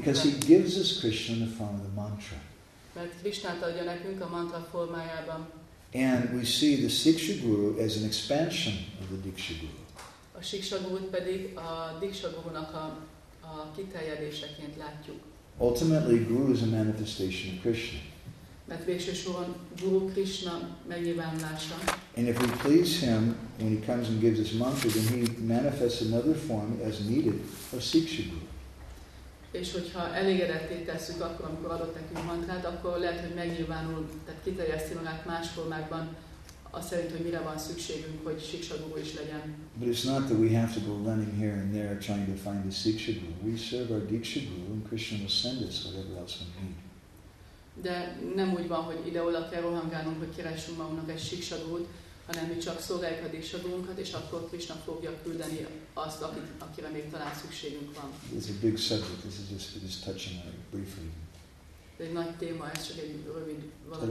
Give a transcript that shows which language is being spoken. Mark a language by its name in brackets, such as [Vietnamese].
[English] Because he gives us Krishna in the form of the mantra. [Hungarian] Mert Krishnát adja nekünk a mantra formájában. [English] And we see the Siksha Guru as an expansion of the Diksha Guru. [Hungarian] A Siksha Gurut pedig a Diksha Gurunak a kiterjedéseként látjuk. [English] Ultimately, Guru is a manifestation of Krishna. [Hungarian] Mert végső soron Guru Krishna megnyilvánulása. [English] And if we please him when he comes and gives us mantra, then he manifests another form as needed of Siksha Guru. [Hungarian] És hogyha elégedetté tesszük akkor, amikor adott nekünk mantrát, akkor lehet, hogy megnyilvánul, tehát kiterjeszti magát más formákban, azt szerint, hogy mire van szükségünk, hogy Siksha Guru is legyen. [English] But it's not that we have to go running here and there trying to find the Siksha Guru. We serve our Diksha Guru and Krishna will send us whatever else we need. [Hungarian] De nem úgy van, hogy ide-oda kell rohangálnunk, hogy keressünk magunknak egy Siksha Gurut, hanem mi csak szolgáljuk a Diksha Gurunkat, és akkor Krishna fogja küldeni azt, akire még talán szükségünk van. [English] It's a big subject, this is just touching on it briefly. [Hungarian] De egy nagy téma, ez csak egy rövid valami.